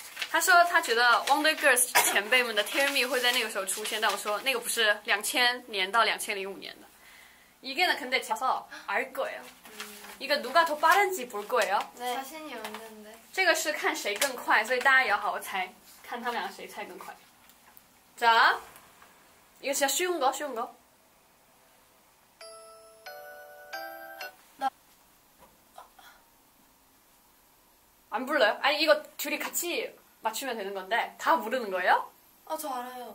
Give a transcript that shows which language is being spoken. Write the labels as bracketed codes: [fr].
[zh] 他说他觉得 Wonder Girls 前辈们的 Tell Me会在那个时候出现，但我说那个不是 2000年到2005年的。 [ko] 이게는 근데 자서 알 거예요. 이거 누가 더 빠른지 볼 거예요. 네, 자신이 없는데. [zh] 这个是看谁更快，所以大家也要好好猜，看他们俩谁猜更快。 [ko] 자, 이거 진짜 쉬운 거, 쉬운 거. 안 불러요? 아니 이거 둘이 같이 맞추면 되는 건데 다 모르는 거예요? 아, 저 알아요.